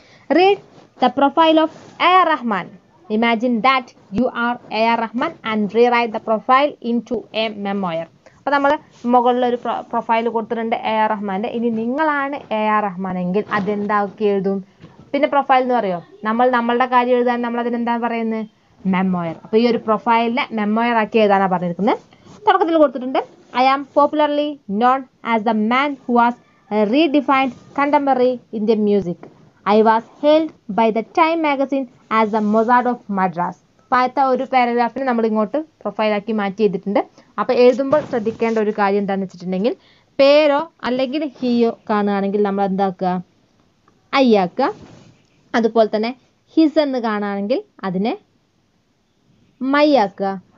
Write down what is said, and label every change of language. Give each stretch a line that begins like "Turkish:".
English: Read the profile of A R Rahman. Imagine that you are A R Rahman and rewrite the profile into a memoir.
Malayalam: അപ്പൊ നമ്മൾ മുകളിലൊരു profile കൊടുത്തിട്ടുണ്ട് A R റഹ്മാന്റെ. ഇനി നിങ്ങളാണ് A R Rahman എങ്കിൽ അതെന്താക്കി എഴുതും? പിന്നെ പ്രൊഫൈൽ എന്ന് പറയുമോ, നമ്മൾ നമ്മളുടെ കാര്യം എഴുതാൻ നമ്മൾ അതിനെന്താ പറയുന്നത്, മെമ്മോയർ. അപ്പൊ ഈ ഒരു പ്രൊഫൈലിനെ മെമ്മോയർ ആക്കി എഴുതാനാണ് പറഞ്ഞിരിക്കുന്നത്. തുടക്കത്തിൽ കൊടുത്തിട്ടുണ്ട്,
English: I am popularly known as the man who has redefined contemporary Indian music. I was hailed by the Time magazine as the Mozart of Madras.
Malayalam: പാത്ത ഒരു പാരഗ്രാഫിന് നമ്മൾ ഇങ്ങോട്ട് പ്രൊഫൈൽ ആക്കി മാറ്റി ചെയ്തിട്ടുണ്ട്. അപ്പൊ എഴുതുമ്പോൾ ശ്രദ്ധിക്കേണ്ട ഒരു കാര്യം എന്താണെന്ന് വെച്ചിട്ടുണ്ടെങ്കിൽ, പേരോ അല്ലെങ്കിൽ ഹിയോ കാണുകയാണെങ്കിൽ നമ്മൾ എന്താക്കുക, ഐ ആക്കുക. അതുപോലെ തന്നെ ഹിസ് എന്ന് കാണുകയാണെങ്കിൽ അതിനെ മൈ ആക്കുക.